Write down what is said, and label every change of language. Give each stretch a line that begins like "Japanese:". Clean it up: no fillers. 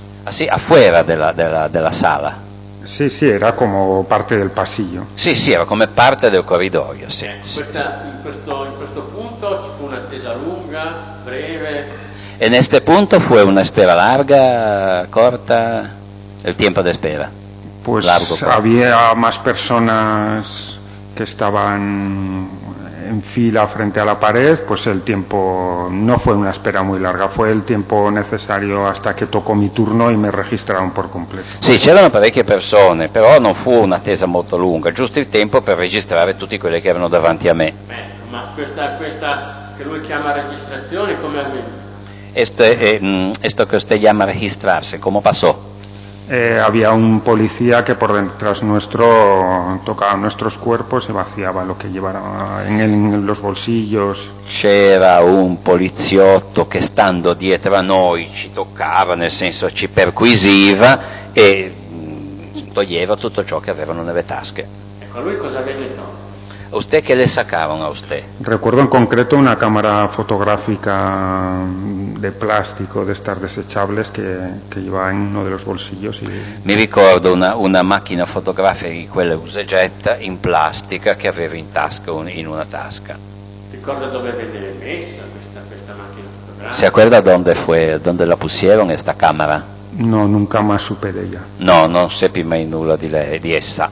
Italian: Ah sì, afuera della sala. Sì, sì, era come parte del passillo. Sì, sì, era come parte del corridoio, sì. In questo punto ci fu un'attesa lunga, breve. E in questo punto fu una spera larga, corta, il tempo di spera.
Spanish: Pues largo, había más personas que estaban en fila frente a la pared, pues el tiempo no fue una espera muy larga, fue el tiempo necesario hasta que tocó mi turno y me registraron por completo.
Italian: Sí, c'erano parecchie persone,
Spanish: pero no fue una
Italian: attesa molto lunga,
Spanish: justo el tiempo para registrar
Italian: tutti quelli que erano davanti a me. Ma questa que lui chiama registrazione, come avviene?
Spanish: Esto que usted llama registrarse, ¿cómo pasó? Había un policía que por detrás nuestro tocaba nuestros cuerpos y vaciaba lo que llevara en los bolsillos.
Italian: C'era un poliziotto que estando dietro a noi ci toccava, nel senso ci perquisiva e toglieva tutto ciò che avevano nelle tasche. Ecco, lui cosa aveva detto?
Spanish: ¿Usted qué le sacaban a usted? Recuerdo en concreto una cámara fotográfica de plástico, de estas desechables, que llevaba en uno de los bolsillos. Me recuerdo una máquina fotográfica de
Italian: quella usegetta
Spanish: en plástica que aveva en tasca, en una tasca.
Italian: ¿Ricorda
Spanish: dónde
Italian: venne messa questa macchina fotografica?
Spanish: ¿Se acuerda dónde fue, dónde la pusieron esta cámara? No, nunca más supe de ella.
Italian: No, non seppi mai nulla di lei, di essa.